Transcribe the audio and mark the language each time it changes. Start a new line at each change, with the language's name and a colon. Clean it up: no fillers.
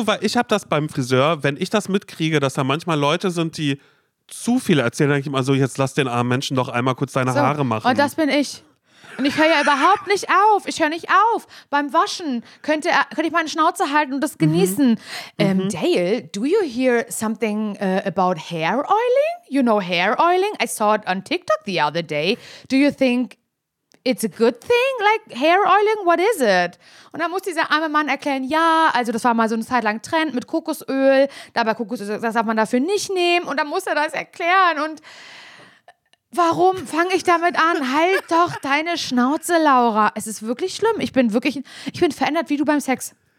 German: du, weil ich habe das beim Friseur, wenn ich das mitkriege, dass da manchmal Leute sind, die zu viel erzählen, denke ich mal so, jetzt lass den armen Menschen doch einmal kurz deine Haare machen. Und das bin ich. Und ich höre ja überhaupt nicht auf. Ich höre nicht auf. Beim Waschen könnte ich meine Schnauze halten und das genießen.
English: Dale, do you hear something about hair oiling? You know hair oiling? I saw it on TikTok the other day. Do you think it's a good thing? Like hair oiling? What is it?
German: Und dann muss dieser arme Mann erklären, ja, also das war mal so eine Zeit lang Trend mit Kokosöl. Dabei Kokosöl, das darf man dafür nicht nehmen. Und dann muss er das erklären. Und warum fange ich damit an? Halt doch deine Schnauze, Laura. Es ist wirklich schlimm. Ich bin verändert wie du beim Sex.